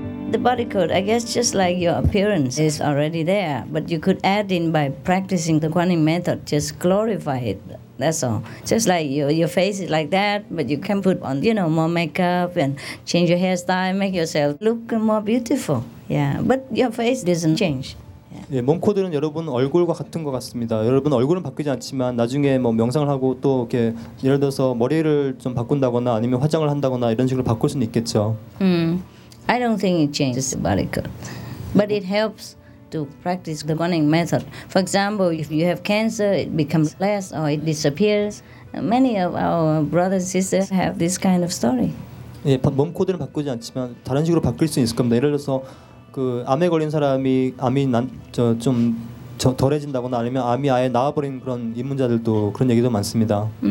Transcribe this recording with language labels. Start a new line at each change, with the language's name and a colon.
English: The body code, I guess just like your appearance is already there, but you could add in by practicing the Kuan Yin method, just glorify it, that's all. Just like your face is like that, but you can put on, you know, more makeup and change your hairstyle, make yourself look more beautiful, yeah, but your face doesn't change.
Korean: 예, 몸 코드는 여러분 얼굴과 같은 것 같습니다. 여러분 얼굴은 바뀌지 않지만 나중에 뭐 명상을 하고 또 이렇게 예를 들어서 머리를 좀 바꾼다거나 아니면 화장을 한다거나 이런 식으로 바꿀 수는 있겠죠.
English: I don't think it changes the body code, but it helps to practice the Kuan Yin method. For example, if you have cancer, it becomes less or it disappears. Many of our brothers and sisters have this kind of story.
Korean: 예, 몸 코드는 바꾸지 않지만 다른 식으로 바뀔 수 있을 겁니다. 예를 들어서 그 암에 걸린 사람이 암이 난 저 좀 덜해진다거나 아니면 암이 아예 나와버린 그런 입문자들도 그런 얘기도 많습니다.